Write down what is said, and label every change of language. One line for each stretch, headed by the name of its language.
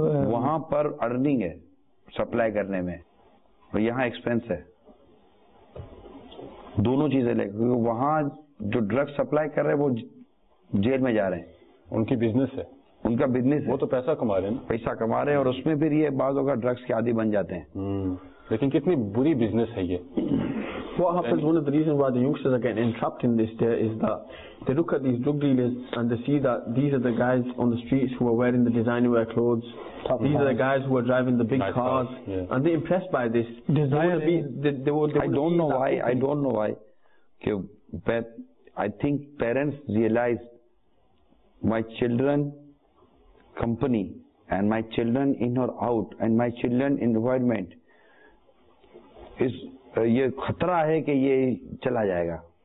Urdu: وہاں پر ارننگ ہے سپلائی کرنے میں اور یہاں ایکسپینس ہے دونوں چیزیں لے کے وہاں جو ڈرگز سپلائی کر رہے ہیں وہ جیل میں جا رہے ہیں ان کی بزنس ہے ان کا بزنس ہے وہ تو پیسہ کما رہے ہیں پیسہ کما رہے ہیں اور اس میں پھر یہ بعض اوقات ڈرگز کے عادی بن جاتے ہیں لیکن کتنی بری بزنس ہے یہ
English: What happens, one of the reasons why the youngsters are getting entrapped in this there is that they look at these drug dealers and they see that these are the guys on the streets who are wearing the designer wear clothes. These are the guys who are driving the big cars. Yeah. And they're impressed by this. I don't know why. But I think parents realize my children company and my children in or out and my children environment is...
Urdu: یہ خطرہ ہے کہ یہ چلا جائے گا